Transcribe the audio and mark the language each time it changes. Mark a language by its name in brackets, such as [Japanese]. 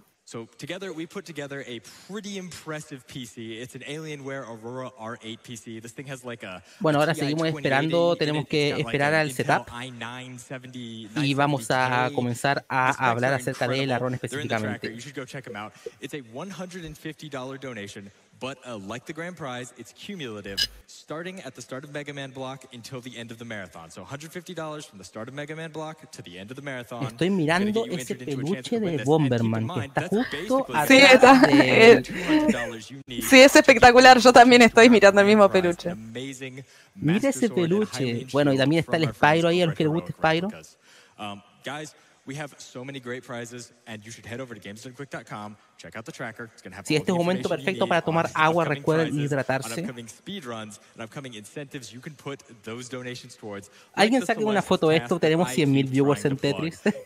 [English] So together we put together a pretty impressive PC. It's an Alienware Aurora R8 PC. This thing has like a... [Spanish] Bueno, ahora seguimos esperando, tenemos que esperar al setup. Y vamos a comenzar a hablar acerca de la ROM específicamente. [English] You should go check them out. It's a $150 donation. But like the grand prize, it's cumulative, starting at the start of Mega Man block until the end of the marathon. So $150 from the start of Mega Man block to the end of the marathon. [Spanish] Estoy mirando ese peluche de Bomberman que está justo Sí, es espectacular. Yo también estoy mirando el mismo peluche. Mira ese peluche. Bueno, y también está el Spyro ahí, a los que les guste Spyro. [English] Guys, we have so many great prizes and you should head over to gamesdonequick.com. Check out the tracker. It's gonna have all the information you need [Spanish] para tomar agua, recuerden hidratarse. [English] Upcoming speed runs and upcoming incentives you can put those donations towards. [Spanish] Alguien saque una foto de esto, tenemos 100,000 viewers en Tetris.